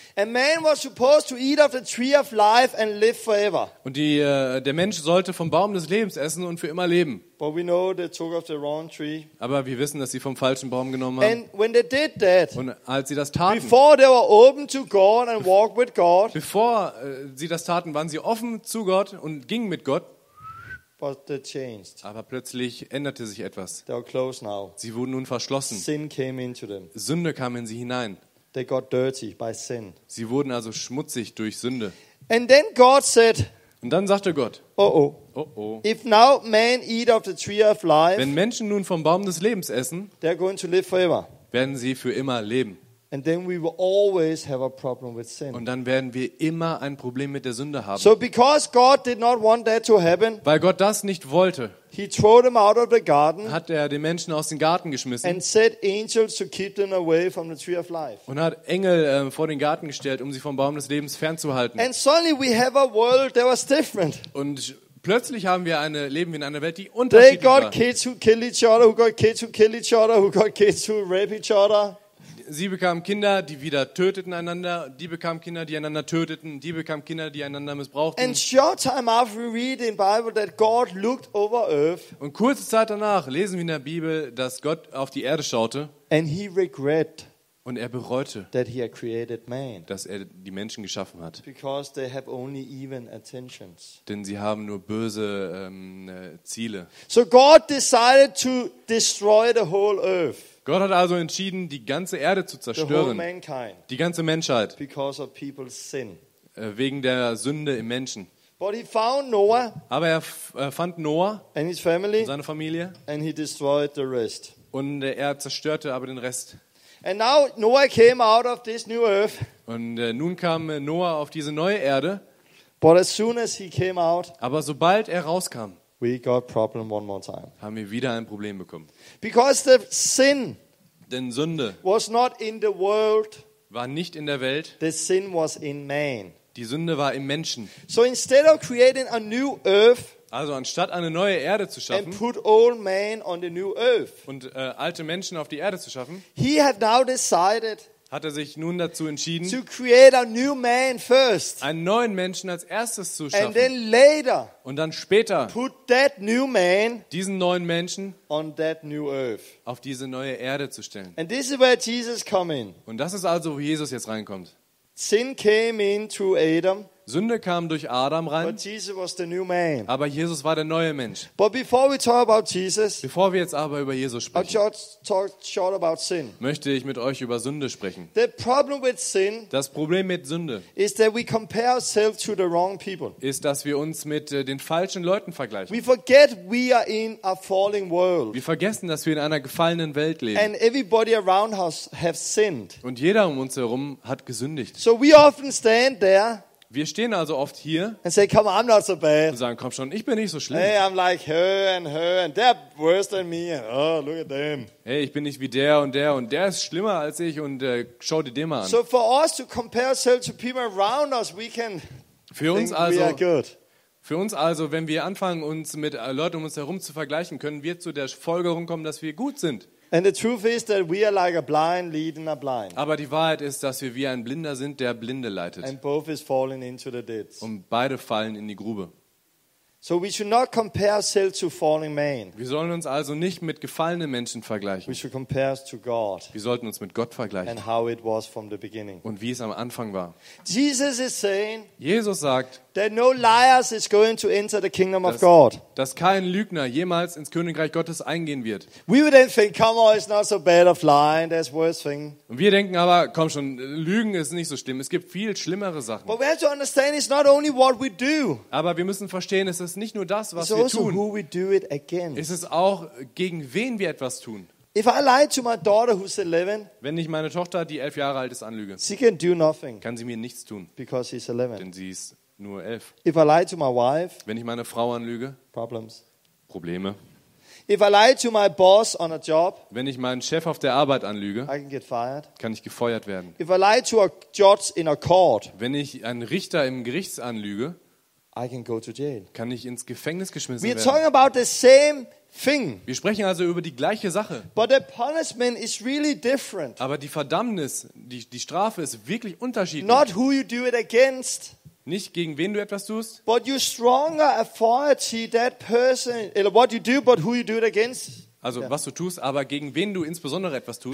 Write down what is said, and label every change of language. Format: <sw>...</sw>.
<en>And man was supposed to eat of the tree of life and live forever.</en> <de>Und der Mensch sollte vom Baum des Lebens essen und für immer leben.</de> <en>But we know they took of the wrong tree.</en> <de>Aber wir wissen, dass sie vom falschen Baum genommen haben.</de> <en>And when they did that.</en> <de>Und als sie das taten.</de> <en>Before they were open to God and walked with God.</en> <de>Bevor sie das taten, waren sie offen zu Gott und gingen mit Gott.</de> <en>But they changed.</en> <de>Aber plötzlich änderte sich etwas.</de> <en>They were closed now.</en> <de>Sie wurden nun verschlossen.</de> <en>Sin came into them.</en> <de>Sünde kam in sie hinein.</de> <en>They got dirty by sin.</en> <de>Sie wurden also schmutzig durch Sünde.</de> <en>And then God said,</en> <de>und dann sagte Gott, oh.</de> <en>If now man eat of the tree of life,</en> <de>wenn Menschen nun vom Baum des Lebens essen,</de> <en>they're going to live forever.</en> <de>Werden sie für immer leben.</de> <en>And then we will always have a problem with sin.</en> <de>Und dann werden wir immer ein Problem mit der Sünde haben.</de> <en>So because God did not want that to happen,</en> <de>weil Gott das nicht wollte,</de> <en>he threw them out of the garden,</en> <de>hat er den Menschen aus dem Garten geschmissen,</de> <en>and set angels to keep them away from the tree of life.</en> <de>Und hat Engel vor den Garten gestellt, um sie vom Baum des Lebens fernzuhalten.</de> <en>And suddenly we have a world that was different.</en> <de>Und plötzlich haben wir eine Leben in einer Welt, die unterschiedlich</de> <en>war. They got kids who kill each other, who got kids who rape each other.</en> <de>sie bekamen Kinder, die wieder töteten einander. Die bekamen Kinder, die einander töteten. Die bekamen Kinder, die einander missbrauchten.</de> <en>And short time after we read in Bible that God looked over earth.</en> <de>Und kurze Zeit danach lesen wir in der Bibel, dass Gott auf die Erde schaute.</de> <en>And he regret.</en> <de>Und er bereute,</de> <en>that he had created man.</en> <de>Dass er die Menschen geschaffen hat.</de> <en>Because they have only even intentions.</en> <de>Denn sie haben nur böse Ziele.</de> <en>So God decided to destroy the whole earth.</en> <de>Gott hat also entschieden, die ganze Erde zu zerstören.</de> <en>The whole mankind,</en> <de>die ganze Menschheit.</de> <en>Because of people's sin.</en> <de>Wegen der Sünde im Menschen.</de> <en>But he found Noah,</en> <de>aber er fand Noah</de> <en>and his family,</en> <de>und seine Familie.</de> <en>And he destroyed the rest.</en> <de>Und er zerstörte aber den Rest.</de> <en>And now Noah came out of this new earth.</en> <de>Und nun kam Noah auf diese neue Erde.</de> <en>But as soon as he came out,</en> <de>aber sobald er rauskam,</de> <en>we got problem one more time.</en> <de>Haben wir wieder ein Problem bekommen.</de> <en>Because the sin,</en> <de>denn Sünde,</de> <en>was not in the world,</en> <de>war nicht in der Welt.</de> <en>The sin was in man.</en> <de>Die Sünde war im Menschen.</de> <en>So instead of creating a new earth,</en> <de>also anstatt eine neue Erde zu schaffen</de> <en>and put old man on the new earth,</en> <de>und alte Menschen auf die Erde zu schaffen,</de> <en>he had now decided,</en> <de>hat er sich nun dazu entschieden,</de> <en>to create a new man first,</en> <de>einen neuen Menschen als erstes zu schaffen,</de> <en>and then later,</en> <de>und dann später</de> <en>put that new man,</en> <de>diesen neuen Menschen</de> <en>on that new earth,</en> <de>auf diese neue Erde zu stellen.</de> <en>And this is where Jesus come in.</en> <de>Und das ist also, wo Jesus jetzt reinkommt.</de> <en>Sin came in through Adam.</en> <de>Sünde kam durch Adam rein.</de> <en>But Jesus was the new man.</en> <de>Aber Jesus war der neue Mensch.</de> <en>But before we talk about Jesus,</en> <de>bevor wir jetzt aber über Jesus sprechen,</de> <en>I'll talk short about sin.</en> <de>Möchte ich mit euch über Sünde sprechen.</de> <en>The problem with sin,</en> <de>das Problem mit Sünde,</de> <en>is that we compare ourselves to the wrong people.</en> <de>Ist, dass wir uns mit den falschen Leuten vergleichen.</de> <en>We forget we are in a falling world.</en> <de>Wir vergessen, dass wir in einer gefallenen Welt leben.</de> <en>And everybody around us have sinned.</en> <de>Und jeder um uns herum hat gesündigt.</de> <en>So we often stand there.</en> <de>Wir stehen also oft hier</de> <en>and say, come on, I'm not so bad.</en> <de>Und sagen, komm schon, ich bin nicht so schlimm.</de> <en>Hey, I'm like her and her and they're worse than me. Oh, look at them.</en> <de>Hey, ich bin nicht wie der und der und der ist schlimmer als ich und schau dir den mal an.</de> <en>So for us to compare ourselves to people around us, we can</en> <de>für uns</de> <en>think</en> <de>also,</de> <en>we are good.</en> <de>Für uns also, wenn wir anfangen, uns mit Leuten um uns herum zu vergleichen, können wir zu der Folgerung kommen, dass wir gut sind.</de> <en>And the truth is that we are like a blind leading a blind.</en> <de>Aber die Wahrheit ist, dass wir wie ein Blinder sind, der Blinde leitet.</de> <en>And both is falling into the ditch.</en> <de>Und beide fallen in die Grube.</de> <en>So we should not compare ourselves to falling man.</en> <de>Wir sollen uns also nicht mit gefallenen Menschen vergleichen.</de> <en>We should compare us to God.</en> <de>Wir sollten uns mit Gott vergleichen.</de> <en>And how it was from the beginning.</en> <de>Und wie es am Anfang war.</de> <en>Jesus is saying,</en> <de>Jesus sagt,</de> <en>that no liars is going to enter the kingdom of God.</en> <de>Dass kein Lügner jemals ins Königreich Gottes eingehen wird.</de> <en>We would then think, come on, it's not so bad of lying. There's worse thing.</en> <de>Und wir denken aber, komm schon, Lügen ist nicht so schlimm. Es gibt viel schlimmere Sachen.</de> <en>But we have to understand, it's not only what we do.</en> <de>Aber wir müssen verstehen, es ist nicht nur das, was</de> <en>it's</en> <de>wir also tun.</de> <en>Who we do it against.</en> <de>Es ist auch, gegen wen wir etwas tun.</de> <en>If I lie to my daughter who's 11,</en> <de>wenn ich meine Tochter, die 11 Jahre alt ist, anlüge,</de> <en>she can do nothing.</en> <de>Kann sie mir nichts tun.</de> <en>Because she's 11.</en> <de>Denn sie ist nur 11.</de> <en>If I lie to my wife,</en> <de>wenn ich meine Frau anlüge,</de> <en>problems.</en> <de>Probleme.</de> <en>If I lie to my boss on a job,</en> <de>wenn ich meinen Chef auf der Arbeit anlüge,</de> <en>I can get fired.</en> <de>Kann ich gefeuert werden.</de> <en>If I lie to a judge in a court,</en> <de>wenn ich einen Richter im Gerichts anlüge,</de> <en>I can go to jail.</en> <de>Kann ich ins Gefängnis geschmissen</de> <en>We're</en> <de>werden.</de> <en>We're talking about the same thing.</en> <de>Wir sprechen also über die gleiche Sache.</de> <en>But the punishment is really different.</en> <de>Aber die Verdammnis, die Strafe ist wirklich unterschiedlich.</de> <en>Not who you do it against.</en> <de>Nicht gegen wen du etwas tust.</de> <en>But you stronger authority that person, what you do, but who you do it against.</en> <de>Also yeah. Was du tust, aber gegen wen du insbesondere etwas tust.</de>